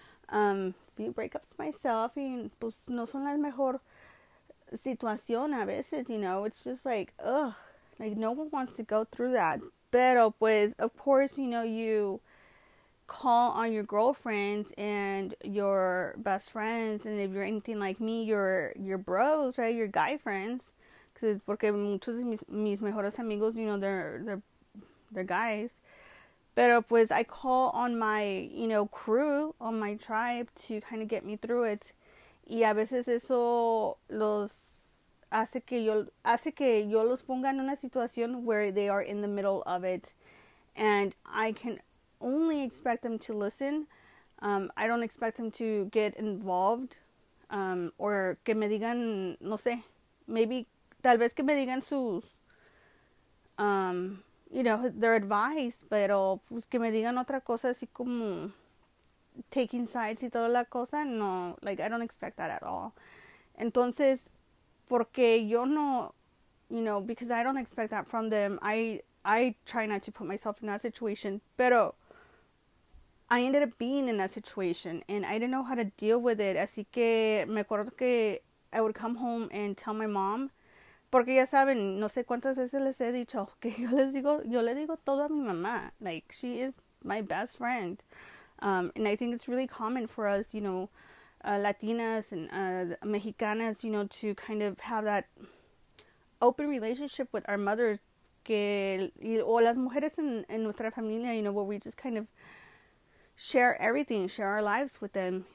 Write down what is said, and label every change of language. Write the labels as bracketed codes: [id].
[en] Few breakups myself, and [es] pues no son la mejor situación a veces, [en] you know, it's just like, ugh, like no one wants to go through that, pero pues, of course, you know, you call on your girlfriends and your best friends, and if you're anything like me, your bros, right, your guy friends, because [es] porque muchos de mis mejores amigos, [en] you know, they're guys. Pero pues, I call on my, you know, crew, on my tribe to kind of get me through it. [es] Y a veces eso los hace que yo los ponga en una situación [en] where they are in the middle of it. And I can only expect them to listen. I don't expect them to get involved. [es] Or que me digan, no sé, maybe, tal vez que me digan sus... [en] you know, their advice, [es] pero pues que me digan otra cosa así como [en] taking sides [es] y toda la cosa, no, [en] like, I don't expect that at all. [es] Entonces, porque yo no, [en] you know, because I don't expect that from them, I try not to put myself in that situation, pero I ended up being in that situation, and I didn't know how to deal with it, [es] así que me acuerdo que [en] I would come home and tell my mom [es] Porque ya saben, no sé cuántas veces les he dicho que yo le digo todo a mi mamá. [en] Like, she is my best friend. And I think it's really common for us, Latinas and Mexicanas, to kind of have that open relationship with our mothers, [es] o las mujeres en nuestra familia, [en] where we just kind of share everything, share our lives with them.